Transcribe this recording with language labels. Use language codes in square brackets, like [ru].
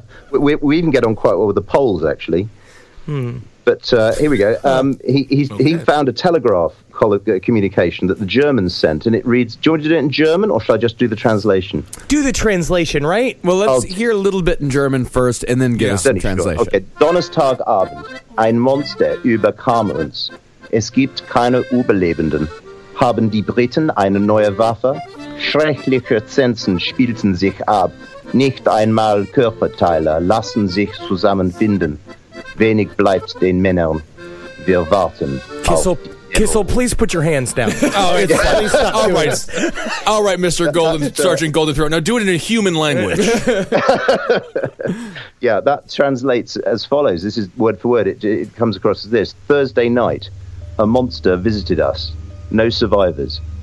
[en] we even get on quite well with the Poles, actually. Hmm. But here we go. He found a telegraph communication that the Germans sent, and it reads, do you want to do it in German, or should I just do the translation? Do the translation, right? Well, let's hear a little bit in German first, and then get some translation. Okay. [de] Donnerstagabend, ein Monster überkam uns. Es gibt keine Überlebenden. Haben die Briten eine neue Waffe? Schreckliche Szenen spielten sich ab. Nicht einmal Körperteile lassen sich zusammenbinden. Wenig bleibt den Männern. Wir warten. [en] Kissel, please put your hands down. All right, Mr. Golden, Sergeant Goldenthroat. Now do it in a human language. Yeah, that translates as follows. This is word for word. It comes across as this. Thursday night, a monster visited us. No survivors.